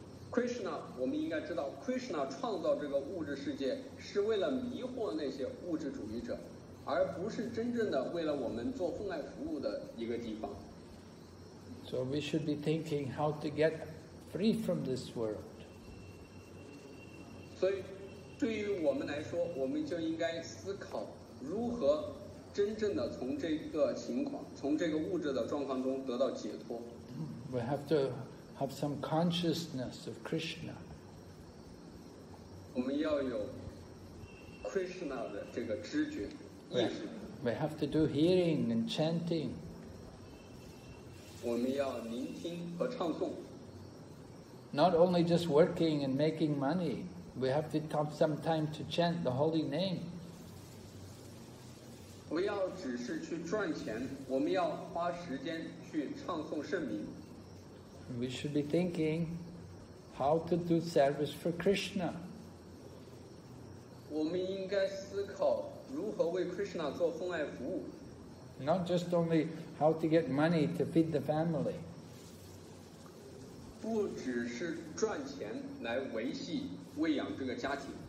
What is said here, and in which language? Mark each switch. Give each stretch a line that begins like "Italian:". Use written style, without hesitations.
Chinese: Krishna, 我们应该知道 ，Krishna 创造这个物质世界是为了迷惑那些物质主义者，而不是真正的为了我们做奉爱服务的一个地方。
English: So we should be thinking how to get free from this world.
Chinese: 所以，对于我们来说，我们就应该思考如何真正的从这个情况，从这个物质的状况中得到解脱。
English: We have to have some consciousness of Krishna.
Chinese: 我们要有 Krishna 的这个知觉意识。
English: We have to do hearing and chanting.
Chinese: 我们要聆听和唱诵。
English: Not only just working and making money, we have to have some time to chant the holy name.
Chinese: 不要只是去赚钱，我们要花时间去唱诵圣名。
English: We should be thinking how to do service for Krishna.
Chinese: 我们应该思考如何为 Krishna 做奉爱服务。
English: Not just only how to get money to feed the family.
Chinese: 不只是赚钱来维系喂养这个家庭。